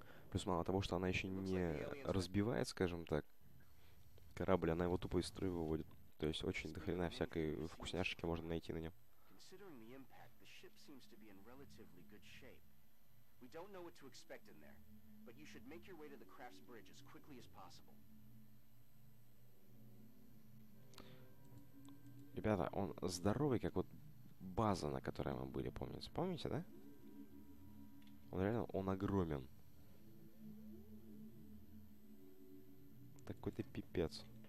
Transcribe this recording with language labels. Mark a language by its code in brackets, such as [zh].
[ru] Плюс мало того, что она еще не разбивает, скажем так, корабль, она его тупо из строя выводит. То есть очень дохрена всякой вкусняшечки можно найти на нем. [en] Considering the impact, the ship seems to be in relatively good shape. We don't know what to expect in there, but you should make your way to the craft's bridge as quickly as possible. [ru] Ребята, он здоровый, как вот база, на которой мы были, помните? Помните, да? Он реально, он огромен. Такой-то пипец.